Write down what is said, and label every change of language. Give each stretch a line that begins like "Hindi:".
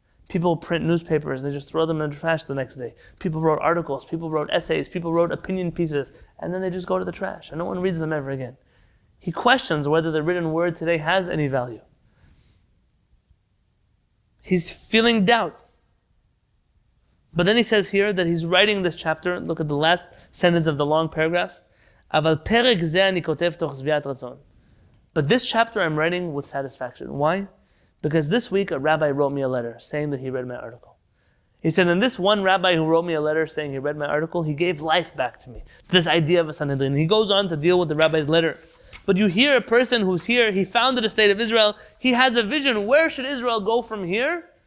English: People print newspapers and they just throw them in the trash the next day. People wrote articles, people wrote essays, people wrote opinion pieces, and then they just go to the trash and no one reads them ever again. He questions whether the written word today has any value. He's feeling doubt. But then he says here that he's writing this chapter, look at the last sentence of the long paragraph.
Hebrew: אבל פרק זה אני כותב תוך שביעת רצון.
English: But this chapter I'm writing with satisfaction. Why? Because this week a rabbi wrote me a letter saying that he read my article. He said, and this one rabbi who wrote me a letter saying he read my article, he gave life back to me, this idea of a Sanhedrin. He goes on to deal with the rabbi's letter. But you hear a person who's here, he founded the state of Israel, he has a vision, where should Israel go from here?